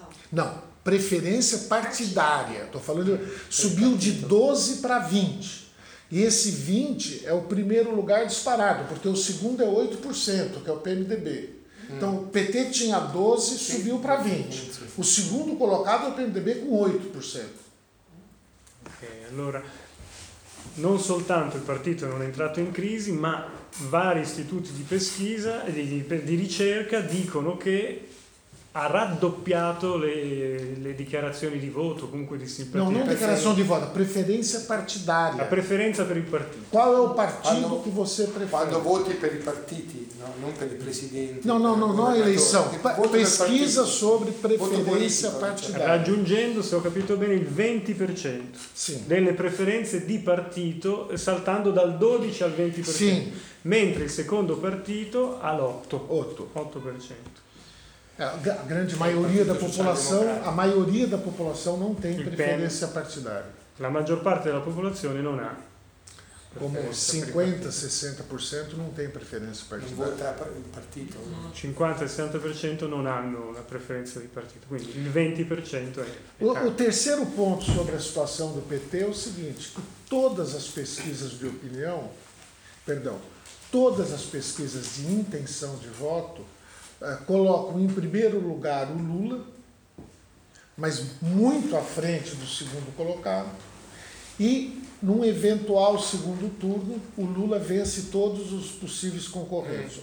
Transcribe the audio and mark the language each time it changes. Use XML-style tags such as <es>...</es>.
<pt>Não, preferência partidária. Estou falando, subiu de 12 para 20. E esse 20 é o primeiro lugar disparado, porque o segundo é 8%, que é o PMDB. Então o PT tinha 12, subiu para 20. O segundo colocado é o PMDB com 8%.</pt> <it>Ok, allora, non soltanto il partito non è entrato in crisi, ma vari istituti di pesquisa e di ricerca dicono che ha raddoppiato le dichiarazioni di voto, comunque di simpatia. Non dichiarazione di voto, preferenza partidaria. La preferenza per il partito. Qual è il partito che você preferisce? Quando voti per i partiti, no? Non per il presidente.</it> <pt>No, eleição. Pesquisa sobre</pt> <it>preferenza partidaria. Raggiungendo, se ho capito bene, il 20% sì. Delle preferenze di partito, saltando dal 12 al 20%. Sì. Mentre il secondo partito ha l'8%. 8%.</it> <pt>A grande maioria da população, a maioria da população não tem preferência partidária.</pt> <it>La maggior parte della popolazione non ha.</it> <pt>Como 50, 60% não tem preferência partidária. Não vota partito.</pt> <it>50, 60% non hanno la preferenza di partito. Quindi il 20% è.</it> <pt>O terceiro ponto sobre a situação do PT é o seguinte, que todas as pesquisas de opinião, todas as pesquisas de intenção de voto colocam em primeiro lugar o Lula, mas muito à frente do segundo colocado, e num eventual segundo turno, o Lula vence todos os possíveis concorrentes.</pt>